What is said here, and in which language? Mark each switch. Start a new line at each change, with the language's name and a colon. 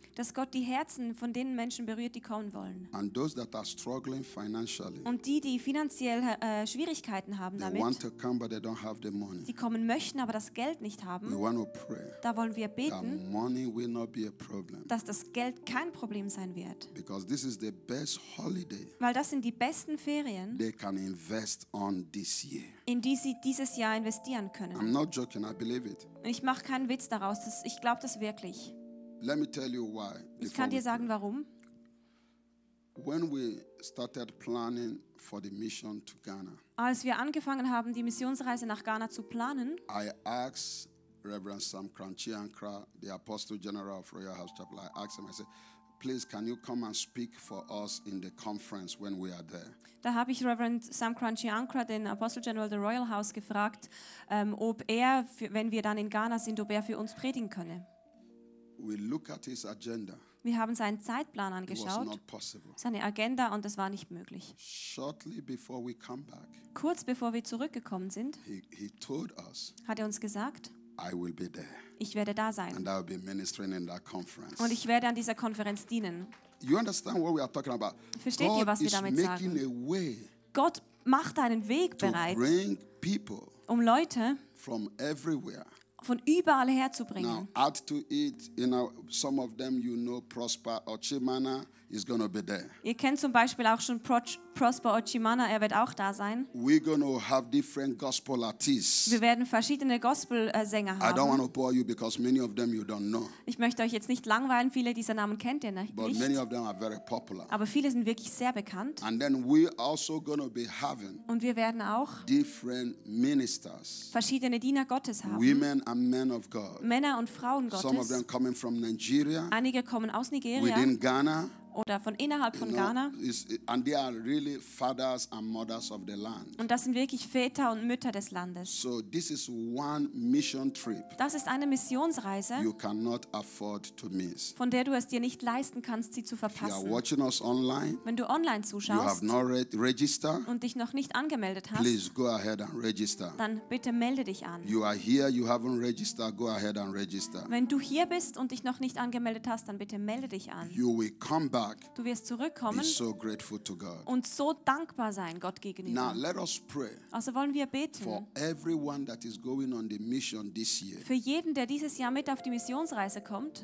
German: Dass Gott die Herzen von den Menschen berührt, die kommen wollen.
English: And those that are struggling financially,
German: und die, die finanziell Schwierigkeiten haben
English: they
German: damit,
English: want to come, but they don't have the money.
German: Die kommen möchten, aber das Geld nicht haben,
English: we want to pray,
German: da wollen wir beten,
English: that money will not be a problem,
German: dass das Geld kein Problem sein wird.
English: Because this is the best holiday,
German: weil das sind die besten Ferien,
English: they can invest on this year.
German: In die sie dieses Jahr investieren können.
English: I'm not joking, I believe it.
German: Ich mache keinen Witz daraus, das, ich glaube das wirklich.
English: Let me tell you why.
German: Ich kann dir sagen, warum.
English: When we started planning for the mission to Ghana,
German: als wir angefangen haben, die Missionsreise nach Ghana zu planen,
English: I asked Reverend Sam Kranchiankra, the Apostle General of Royal House Chapel, I asked him, I said, please, can you come and speak for us in the conference when we are there?
German: Da habe ich Reverend Sam Kranchiankra, den Apostle General der Royal House, gefragt, ob er, wenn wir dann in Ghana sind, ob er für uns predigen könne.
English: We look at his agenda.
German: Wir haben seinen Zeitplan angeschaut.
English: It was not possible.
German: Seine Agenda, und das war nicht möglich.
English: Shortly before we come back,
German: kurz bevor wir zurückgekommen sind,
English: he told us,
German: hat er uns gesagt,
English: I will be there.
German: Ich werde da sein.
English: And I will be ministering in that conference.
German: Und ich werde an dieser Konferenz dienen.
English: You understand what we are talking about?
German: Versteht
English: God
German: ihr, was wir damit sagen?
English: A way,
German: Gott macht einen Weg bereit,
English: bring people,
German: um Leute
English: from everywhere,
German: von überall herzubringen.
English: Now add to it, you know, some of them you know, Prosper Ochimana is going to be there.
German: Ihr kennt zum Beispiel auch schon Prosper Ochimana, er wird auch da sein.
English: We're going to have different gospel artists.
German: Wir werden verschiedene Gospelsänger haben.
English: I don't want to bore you because many of them you don't know.
German: Ich möchte euch jetzt nicht langweilen, viele dieser Namen kennt ihr nicht.
English: But many of them are very popular.
German: Aber viele sind wirklich sehr bekannt.
English: And then we're also going to be having,
German: und wir werden auch
English: different ministers,
German: verschiedene Diener Gottes haben.
English: Women and men of God.
German: Männer und Frauen Gottes.
English: Some of them coming from Nigeria.
German: Einige kommen aus Nigeria.
English: Within Ghana.
German: oder von innerhalb von Ghana.
English: And they are really fathers and mothers of the land.
German: Und das sind wirklich Väter und Mütter des Landes.
English: So this is one mission trip.
German: Das ist eine Missionsreise.
English: You cannot afford to miss.
German: Von der du es dir nicht leisten kannst, sie zu verpassen.
English: If you are watching us online,
German: wenn du online zuschaust,
English: you have not registered,
German: und dich noch nicht angemeldet hast,
English: please go ahead and register.
German: Dann bitte melde dich an.
English: You are here, you haven't registered, go ahead and register.
German: Wenn du hier bist und dich noch nicht angemeldet hast, dann bitte melde dich an.
English: You will come back.
German: Du wirst zurückkommen.
English: Be so grateful to God.
German: Und so dankbar sein Gott gegenüber.
English: Now let us pray.
German: Also wollen wir beten.
English: For everyone that is going on the mission this year.
German: Für jeden, der dieses Jahr mit auf die Missionsreise kommt.